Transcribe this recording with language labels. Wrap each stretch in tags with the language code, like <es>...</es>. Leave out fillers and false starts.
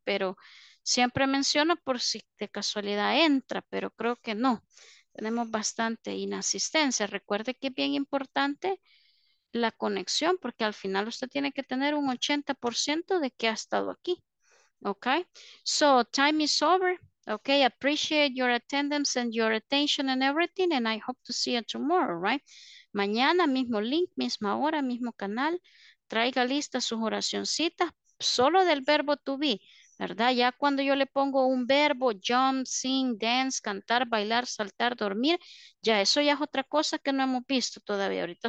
<es>Pero siempre menciono por si de casualidad entra, pero creo que no. Tenemos bastante inasistencia. Recuerde que es bien importante la conexión porque al final usted tiene que tener un 80% de que ha estado aquí, ¿ok?</es> <en>So, time is over, ¿ok? Appreciate your attendance and your attention and everything and I hope to see you tomorrow, right?</en> <es>Mañana, mismo link, misma hora, mismo canal, traiga listas sus oracioncitas, solo del verbo to be, ¿verdad? Ya cuando yo le pongo un verbo,</es> <en>jump, sing, dance,</en> <es>cantar, bailar, saltar, dormir, ya eso ya es otra cosa que no hemos visto todavía ahorita.</es>